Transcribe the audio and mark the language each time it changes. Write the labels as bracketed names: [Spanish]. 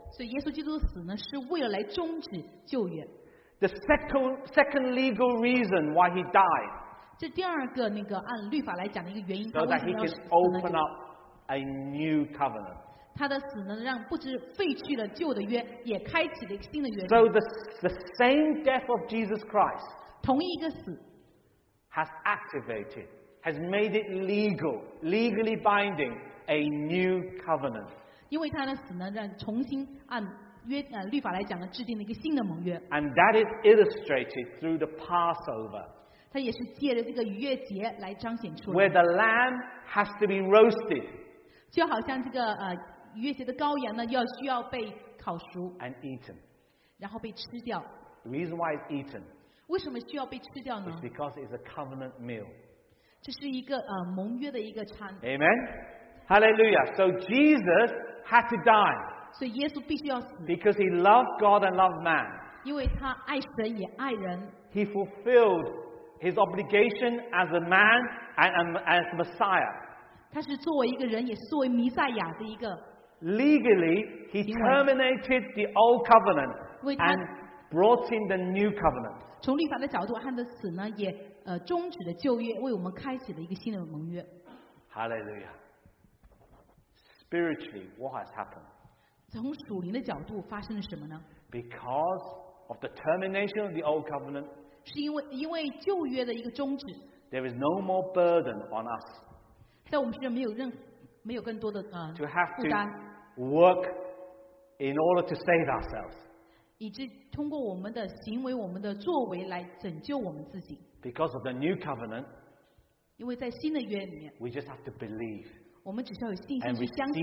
[Chinese] 所以耶稣基督的死呢，是为了来终止旧约。 [English] The second legal reason why he died. [Chinese] 这第二个那个按律法来讲的一个原因。 [English] So that he can open up a new covenant. [Chinese] 他的死呢，让不止废去了旧的约，也开启了一个新的约。 [English] So the same death of Jesus Christ. [Chinese] 同一个死。 [English] Has activated, has made it legal, legally binding a new covenant. [Chinese] 因为他的死呢，让重新按。律法来讲呢，制定了一个新的盟约。 [English] And that is illustrated through the Passover. [Chinese] 它也是借着这个逾越节来彰显出来。 [English] Where the lamb has to be roasted. [Chinese] 就好像这个逾越节的羔羊呢，要需要被烤熟。 [English] And eaten. [Chinese] 然后被吃掉。 [English] The reason why it's eaten. [Chinese] 为什么需要被吃掉呢？ [English] It's because it's a covenant meal. [Chinese] 这是一个盟约的一个餐。 [English] Amen. Hallelujah. So Jesus had to die. [Chinese] 所以耶稣必须要死。 [English] Because he loved God and loved man. [Chinese] 因为他爱神也爱人。 [English] He fulfilled his obligation as a man and as Messiah. [Chinese] 他是作为一个人，也是作为弥赛亚的一个。 [English] Legally, he terminated the old covenant and brought in the new covenant. [Chinese] 从律法的角度，他的死呢，也终止了旧约，为我们开启了一个新的盟约。 [English] Hallelujah. Spiritually, what has happened? [Chinese] 从属灵的角度发生了什么呢 [English] ？Because of the termination of the old covenant， [Chinese] 是因为旧约的一个终止。 [English] There is no more burden on us， [Chinese] 在我们身上没有更多的 [English] To have to work in order to save ourselves， [Chinese] 以致通过我们的行为、我们的作为来拯救我们自己。 [English] Because of the new covenant， [Chinese] 因为在新的约里面 [English] ，We just have to believe， [Chinese] 我们只需要有信心去相信